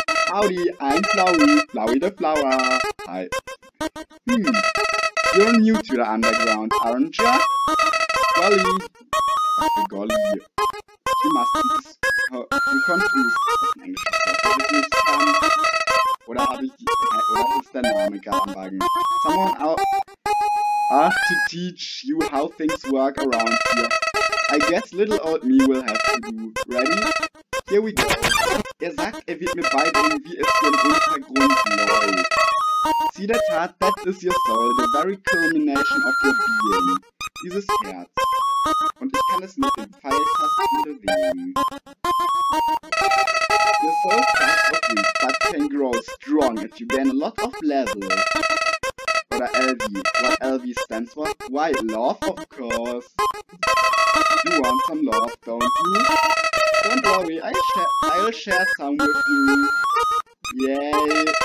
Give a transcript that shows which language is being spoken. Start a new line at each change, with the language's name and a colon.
English: Howdy, I'm Flowey, Flowey the Flower. Hi. You're new to the underground, aren't ya? Golly. Ach, Golly. You must be confused.
German: Was in Englisch ist das, was ich nicht kann? Oder habe ich die. Oder ist der Name gerade am Wagen?
English: Someone out. Asked to teach you how things work around here. I guess little old me will have to do. Ready? Here we go.
German: Er sagt, er wird mir beibringen, wie es hier im Untergrund läuft.
English: See that heart, that is your soul, the very culmination of your being.
German: Dieses Herz. Und ich kann es mit den Pfeiltasten bewegen.
English: Your soul starts off weak, but can grow strong if you gain a lot of levels.
German: Oder
English: LV. What LV stands for? Why, love, of course. You want some love, don't you? Don't worry, I'll share some with you. Yay!